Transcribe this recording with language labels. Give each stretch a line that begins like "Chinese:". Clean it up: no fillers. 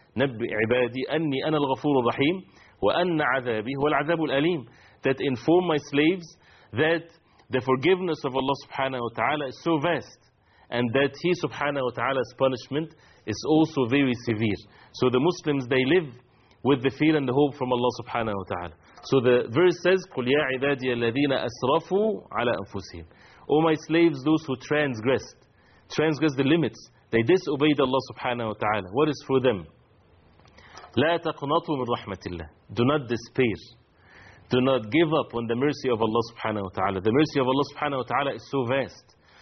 Arabic: نَبِّ عِبَادِي أَنِّي أَنَا الْغَفُورُ الرَّحِيمُ وَأَنَّ عَذَابِي هُوَ الْعَذَابُ الْأَلِيمُ.
English: That inform my slaves that the forgiveness of Allah subhanahu wa ta'ala is so vast, and that he subhanahu wa ta'ala's punishment is also very severe. So the Muslims, they live with the fear and the hope from Allah subhanahu wa ta'ala. So the verse says,
Arabic: قُلْ يَا عِبَادِيَ الَّذِينَ أَسْرَفُوا عَلَىٰ أَنفُسِهِمْ.
English: O my slaves, those who transgressed the limits, they disobeyed Allah subhanahu wa ta'ala. What is for them?
Arabic: لا تقنطوا من رحمة الله.
English: Do not despair. Do not give up on the mercy of Allah subhanahu wa ta'ala. The mercy of Allah subhanahu wa ta'ala is so vast.